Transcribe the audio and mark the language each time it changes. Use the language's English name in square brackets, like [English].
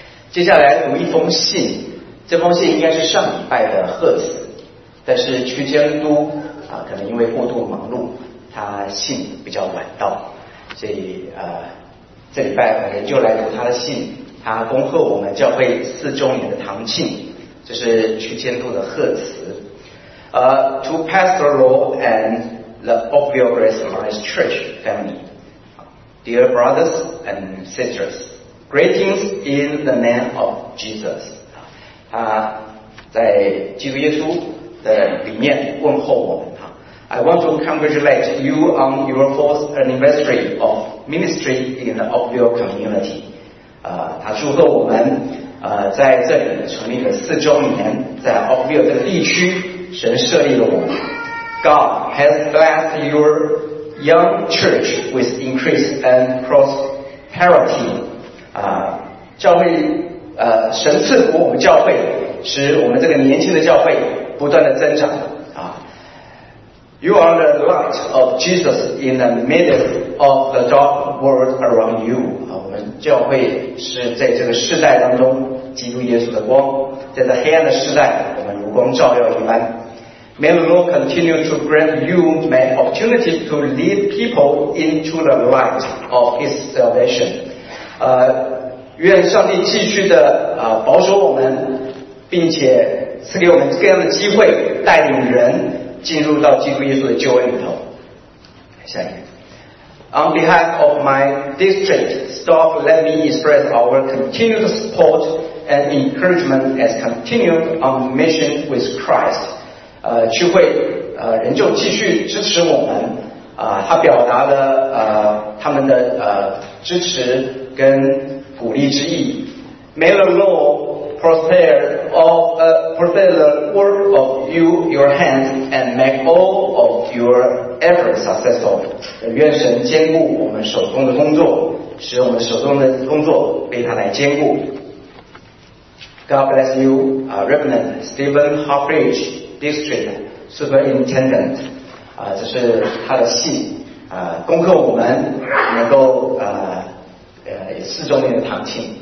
[Chinese] 接下来读一封信，这封信应该是上礼拜的贺词，但是区监督可能因为过度忙碌，他信比较晚到，所以这礼拜我们就来读他的信。他恭贺我们教会四周年的堂庆，这是区监督的贺词。 [English] To Pastor Law and the Oakville Grace Alliance Church family, dear brothers and sisters, greetings in the name of Jesus. [Chinese] 他在基督耶稣的理念问候我们。 [English] I want to congratulate you on your fourth anniversary of ministry in the Oakville community. [Chinese] 他祝贺我们在这里成立了四周年，在 Oakville 这个地区神设立了我们。 [English] God has blessed your young church with increase and prosperity. [Chinese] 教会神赐福我们教会，使我们这个年轻的教会不断的增长啊。 [English] You are the light of Jesus in the middle of the dark world around you. [Chinese] 啊，我们教会是在这个世代当中基督耶稣的光，在这黑暗的世代我们如光照耀一般。 [English] May the Lord continue to grant you many opportunities to lead people into the light of His salvation. [Chinese] 愿上帝继续的保守我们，并且赐给我们各样的机会，带领人进入到基督耶稣的救恩里头。下一页。 [English] On behalf of my district staff, let me express our continued support and encouragement as continued on mission with Christ. [Chinese] 区会仍旧继续支持我们，他表达了他们的支持跟鼓励之意。 [English] May the Lord prosper the work of your hands and make all of your efforts successful. [Chinese] 愿神兼顾我们手中的工作，使我们手中的工作被他来兼顾。 [English] God bless you, Reverend Stephen Hoffridge, District Superintendent. [Chinese] 这是他的信，恭贺我们能够四周年的堂庆。